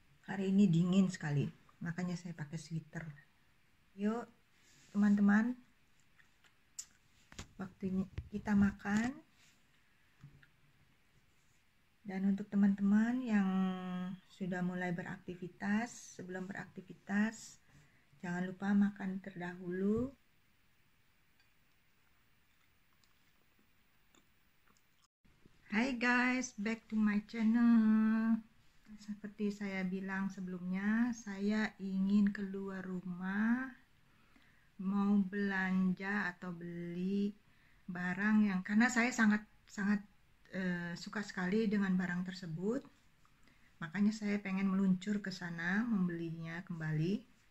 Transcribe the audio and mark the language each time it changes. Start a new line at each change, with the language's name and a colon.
Indonesian: Hari ini dingin sekali, makanya saya pakai sweater. Yuk teman-teman, waktunya kita makan. Dan untuk teman-teman yang sudah mulai beraktivitas, sebelum beraktivitas jangan lupa makan terdahulu.
English: Hi guys, back to my channel.
Indonesian: Seperti saya bilang sebelumnya, saya ingin keluar rumah, mau belanja atau beli barang yang, karena saya sangat suka sekali dengan barang tersebut, makanya saya pengen meluncur ke sana membelinya kembali.